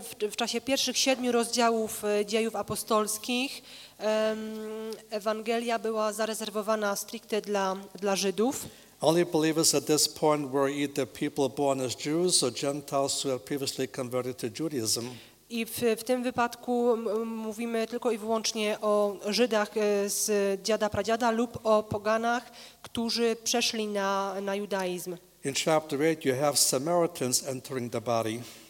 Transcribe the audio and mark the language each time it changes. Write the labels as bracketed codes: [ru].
[pl] W czasie pierwszych 7 rozdziałów Dziejów Apostolskich Ewangelia była zarezerwowana stricte dla Żydów. [en] Only believers at this point were either people born as Jews or Gentiles who had previously converted to Judaism. [pl] I w tym wypadku mówimy tylko i wyłącznie o Żydach z dziada pradziada lub o poganach, którzy przeszli na judaizm. [en] In chapter 8 you have Samaritans entering the body.